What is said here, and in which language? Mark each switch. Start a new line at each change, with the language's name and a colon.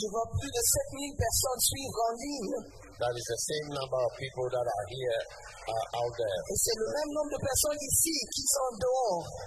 French: Je vois plus de 7,000 personnes suivre en ligne.
English: That is the same number of people that are here out there.
French: Et c'est le même nombre de personnes ici qui sont dehors.